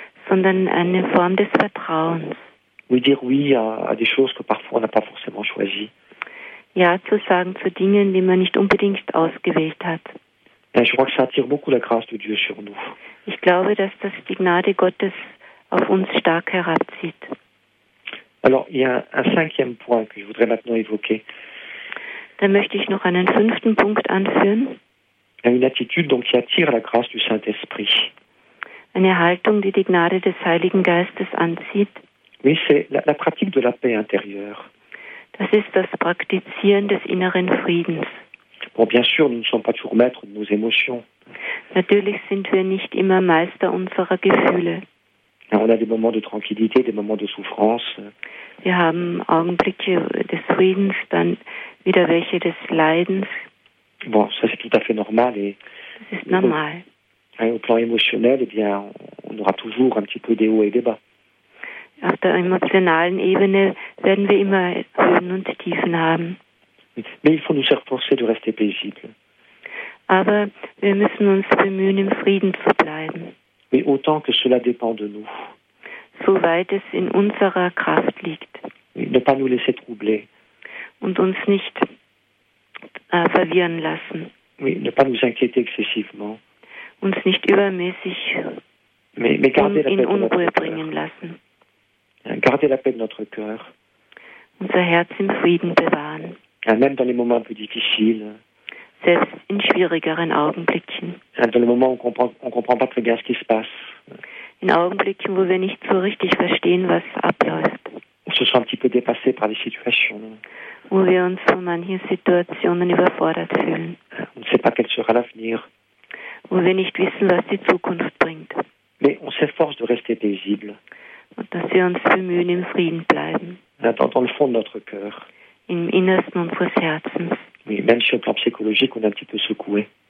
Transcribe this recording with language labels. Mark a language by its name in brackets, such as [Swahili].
[German] Sondern eine Form des Vertrauens. [French] Oui, dire oui à des choses que parfois on n'a pas forcément choisies. [German] Ja, zu sagen zu Dingen, die man nicht unbedingt ausgewählt hat. [French] Ben, je crois que ça attire beaucoup la grâce de Dieu sur nous. [German] Ich glaube, dass das die Gnade Gottes auf uns stark herabzieht. [French] Alors, il y a un cinquième point que je voudrais maintenant évoquer. [German] Dann möchte ich noch einen fünften Punkt anführen. [French] Une attitude donc qui attire la grâce du Saint-Esprit. [German] Eine Haltung, die Gnade des Heiligen Geistes anzieht. [French] Oui, c'est la pratique de la paix intérieure. [German] Das ist das Praktizieren des inneren Friedens. [French] Bon, bien sûr, nous ne sommes pas toujours maîtres de nos émotions. [German] Natürlich sind wir nicht immer Meister unserer Gefühle. [French] Alors, on a des moments de tranquillité, des moments de souffrance. [German] Wir haben Augenblicke des Friedens, dann wieder welche des Leidens. [French] Bon, ça c'est tout à fait normal. Et [German] das ist normal. [French] Au plan émotionnel, eh bien, on aura toujours un petit peu des hauts et des bas. [German] Auf der emotionalen Ebene werden wir immer Höhen und Tiefen haben. [French] Mais il faut nous efforcer de rester paisible. [German] Aber wir müssen uns bemühen, im Frieden zu bleiben. [French] Mais autant que cela dépend de nous. [German] Soweit es in unserer Kraft liegt. [French] Et ne pas nous laisser troubler. [German] Und uns nicht verwirren lassen. [French] Mais ne pas nous inquiéter excessivement. [German] Uns nicht übermäßig in Unruhe bringen lassen. [French] Garder la paix de notre cœur. [German] Unser Herz im Frieden bewahren. [French] Même dans les moments plus difficiles. [German] Selbst in schwierigeren Augenblicken. [French] Dans les moments où on comprend pas très bien ce qui se passe. [German] In Augenblicken, wo wir nicht so richtig verstehen, was abläuft. [French] On se sent un petit peu dépassé par les situations. [German] Wo wir uns von manchen Situationen überfordert fühlen. [French] On ne sait pas quel sera l'avenir. [German] Wo wir nicht wissen, was die Zukunft bringt. [French] Mais on s'efforce de rester paisible. [German] Und dass wir uns bemühen, im Frieden bleiben. [French] Dans le fond de notre cœur. [German] Im Innersten unseres Herzens. [French] Oui, même sur le plan psychologique, on est un petit peu secoué.